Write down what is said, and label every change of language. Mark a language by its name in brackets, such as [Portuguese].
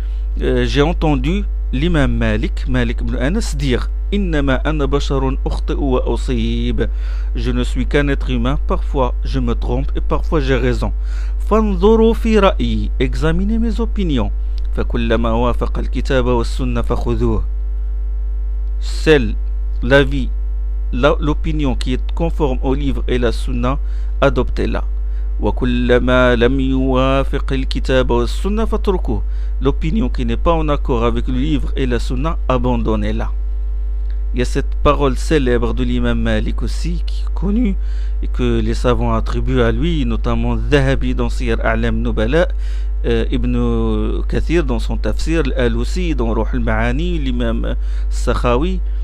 [French] J'ai entendu l'imam Malik ibn Anas dire: [Arabic] إنما أنا بشر أخطئ وأصيب. [French] Je ne suis qu'un être humain. Parfois je me trompe et parfois j'ai raison. [Arabic] فانظروا في رأيي. [French] Examinez mes opinions. [Arabic] فكلما وافق الكتاب والسنة فخذوه. [French] celle, l'avis, l'opinion qui est conforme au livre et la sunna, adoptez-la. [Arabic] وكلما لم يوافق الكتاب والسنة فاتركوه. [French] L'opinion qui n'est pas en accord avec le livre et la sunna, abandonnez-la. Il y a cette parole célèbre de l'imam Malik aussi, qui est connue et que les savants attribuent à lui, notamment Zahabi dans Sir A'lam Nubala, Ibn Kathir dans son tafsir, Al-Alusi dans Ruh al-Ma'ani, l'imam Sakhawi.